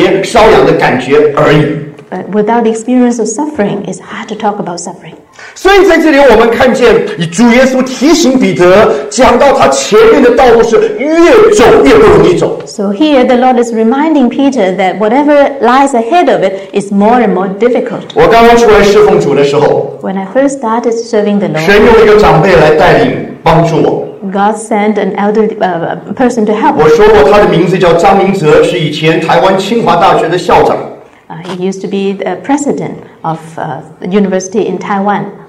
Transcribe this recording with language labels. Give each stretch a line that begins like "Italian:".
Chinese: 但是受苦的题目，你没有经历，你只是纸上谈兵，让人家觉得有隔靴搔痒的感觉而已。
English: But without the experience of suffering, it's hard to talk about suffering.
Chinese: 所以在这里，我们看见主耶稣提醒彼得，讲到他前面的道路是越走越不容易走。
English: So here the Lord is reminding Peter that whatever lies ahead of it is more and more difficult.
Chinese: 我刚刚出来侍奉主的时候，
English: When I first started serving the Lord,
Chinese: 神用一个长辈来带领帮助我。
English: God sent an elderly person to help.
Chinese: 我说过他的名字叫张明哲，是以前台湾清华大学的校长。
English: He used to be the president of the university in Taiwan.